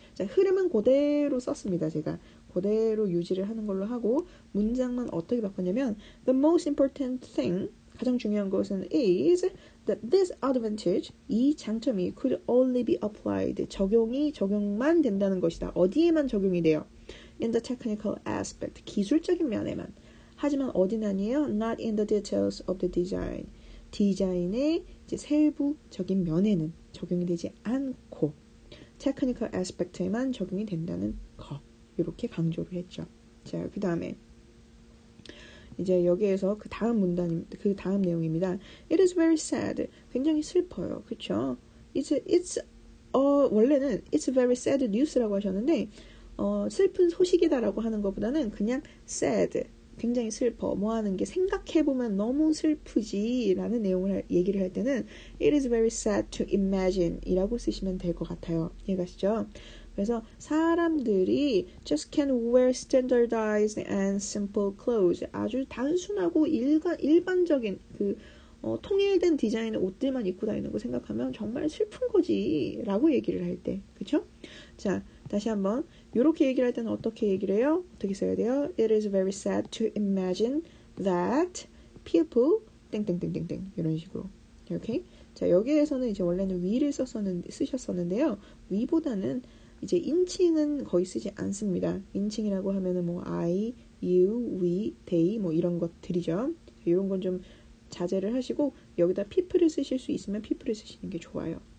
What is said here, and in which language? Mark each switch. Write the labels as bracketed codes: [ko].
[ko] 자, 흐름은 그대로 썼습니다, 제가. 그대로 유지를 하는 걸로 하고 문장만 어떻게 바꿨냐면 [en] The most important thing, [ko] 가장 중요한 것은 [en] is that this advantage, [ko] 이 장점이 [en] could only be applied, [ko] 적용만 된다는 것이다. 어디에만 적용이 돼요? [en] In the technical aspect, [ko] 기술적인 면에만. 하지만 어디는 아니에요? [en] Not in the details of the design. [ko] 디자인의 이제 세부적인 면에는 적용이 되지 않고 [en] technical aspect [ko] 에만 적용이 된다는 것. 이렇게 강조를 했죠. 자, 그 다음에 이제 여기에서 그 다음 내용입니다. [en] It is very sad. [ko] 굉장히 슬퍼요. 그렇죠? 원래는 [en] It's very sad news [ko] 라고 하셨는데 슬픈 소식이다라고 하는 것보다는 그냥 sad. 굉장히 슬퍼. 뭐 하는 게 생각해보면 너무 슬프지라는 얘기를 할 때는 [en] It is very sad to imagine [ko] 이라고 쓰시면 될것 같아요. 이해가시죠? 그래서 사람들이 [en] just can wear standardized and simple clothes. [ko] 아주 단순하고 일반적인 통일된 디자인의 옷들만 입고 다니는 거 생각하면 정말 슬픈 거지라고 얘기를 할 때. 그쵸? 자, 다시 한번. 이렇게 얘기를 할 때는 어떻게 얘기를 해요? 어떻게 써야 돼요? [en] It is very sad to imagine that people [ko] 땡땡땡땡땡 이런 식으로. 오케이? 자, 여기에서는 이제 원래는 will을 쓰셨었는데요. will보다는 이제 인칭은 거의 쓰지 않습니다. 인칭이라고 하면은 뭐 I, you, we, they 뭐 이런 것들이죠. 이런 건좀 자제를 하시고 여기다 people을 쓰실 수 있으면 people을 쓰시는 게 좋아요.